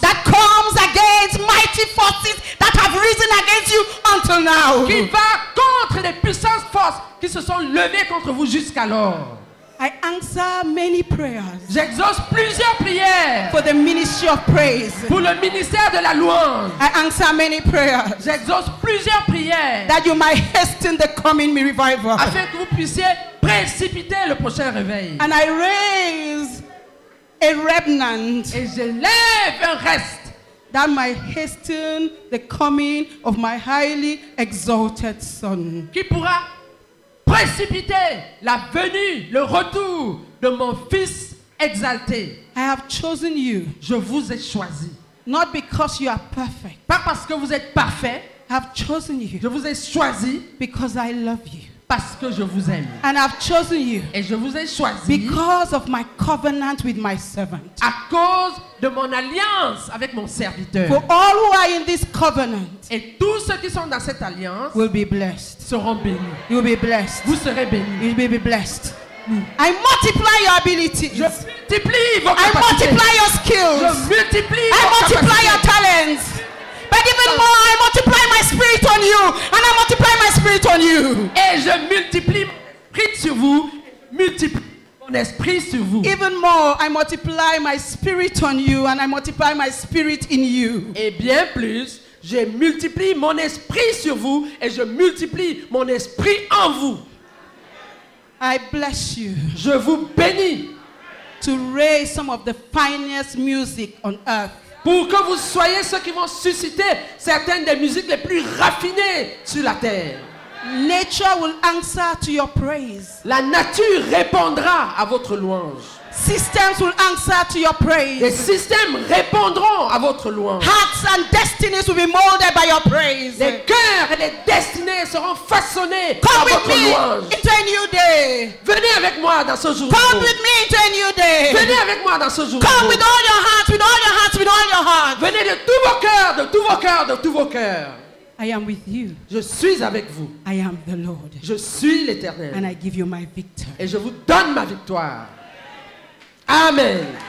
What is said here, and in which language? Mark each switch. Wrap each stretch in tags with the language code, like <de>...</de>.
<en>That comes against mighty forces that have risen against you until now.</en> <fr>Qui va contre les puissantes forces qui se sont levées contre vous jusqu'alors.</fr> <en>I answer many prayers.</en> <fr>J'exauce plusieurs prières.</fr> <en>For the ministry of praise.</en> <fr>Pour le ministère de la louange.</fr> <en>I answer many prayers.</en> <fr>J'exauce plusieurs prières.</fr> <en>That you might hasten the coming revival.</en> <fr>Afin que vous puissiez précipiter le prochain réveil.</fr> <en>And I raise a remnant.</en> <fr>Et je lève un reste.</fr> <en>That might hasten the coming of my highly exalted son.</en> <fr>Qui pourra précipiter la venue, le retour de mon fils exalté.</fr> <en>I have chosen you.</en> <fr>Je vous ai choisi.</fr> <en>Not because you are perfect.</en> <fr>Pas parce que vous êtes parfait.</fr> <en>I have chosen you.</en> <fr>Je vous ai choisi.</fr> <en>Because I love you.</en> <fr>Parce que je vous aime.</fr> <en>And I've chosen you.</en> <fr>Et je vous ai choisi.</fr> <en>Because of my covenant with my servant.</en> <fr>À cause de mon alliance avec mon serviteur.</fr> <en>For all who are in this covenant.</en> <fr>Et tous ceux qui sont dans cette alliance.</fr> <en>Will be blessed.</en> <fr>Seront bénis.</fr> <en>You will be blessed.</en> <fr>Vous serez bénis.</fr> <en>You will be blessed. I multiply your abilities.</en> <fr>Je multiplie vos capacités.</fr> <en>I multiply your skills.</en> <fr>Je multiplie vos capacités.</fr> <en>I multiply your talents. But even more, I multiply my spirit on you. And I multiply my spirit on you.</en> <fr>Et je multiplie mon esprit sur vous. Multiplie mon esprit sur vous.</fr> <en>Even more, I multiply my spirit on you. And I multiply my spirit in you.</en> <fr>Et bien plus, Je multiplie mon esprit sur vous et je multiplie mon esprit en vous.</fr> <en>I bless you.</en> <fr>Je vous bénis.</fr> <en>To raise some of the finest music on earth.</en> <fr>Pour que vous soyez ceux qui vont susciter certaines des musiques les plus raffinées sur la terre.</fr> <en>Nature will answer to your praise.</en> <fr>La nature répondra à votre louange.</fr> <en>Systems will answer to your praise.</en> <fr>Les systèmes répondront à votre louange.</fr> <en>Hearts and destinies will be molded by your praise.</en> <fr>Les cœurs et les destinées seront façonnés</fr> <en>Come</en> <fr>à votre louange.</fr> <en>Come with me into a new day.</en> <fr>Venez avec moi dans ce jour.</fr> <en>Come with me into a new day.</en> <fr>Venez avec moi dans ce jour.</fr> <en>Come with all your hearts, with all your hearts, with all your hearts.</en> <fr>Venez de tout vos cœurs, de tout vos cœurs, de tout vos cœurs.</fr> <en>I am with you.</en> <fr>Je suis avec vous.</fr> <en>I am the Lord.</en> <fr>Je suis l'Éternel.</fr> <en>And I give you my victory.</en> <fr>Et je vous donne ma victoire. Amen.</fr>